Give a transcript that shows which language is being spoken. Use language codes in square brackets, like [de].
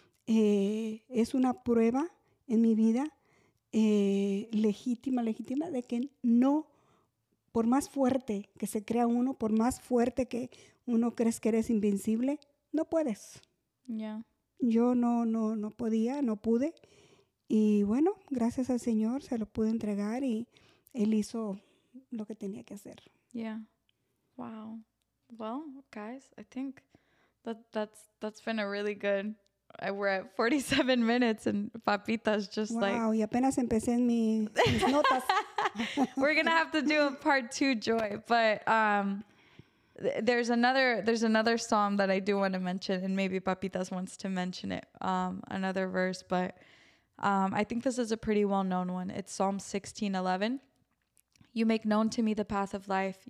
[es] Es una prueba en mi vida legítima, de que no, por más fuerte que se crea uno, por más fuerte que uno crees que eres invencible, no puedes. [en] Yeah. [es] Yo no pude. Y bueno, gracias al Señor se lo pude entregar y Él hizo lo que tenía que hacer. [en] Yeah. Wow. Well, guys, I think that's been a really good. We're at 47 minutes and Papita's just wow, like. [es] Wow, y apenas empecé en mis notas. [en] We're gonna have to do a part two, Joy. But there's another psalm that I do want to mention, and maybe Papitas wants to mention it. Another verse, but I think this is a pretty well known one. It's Psalm 16:11. You make known to me the path of life.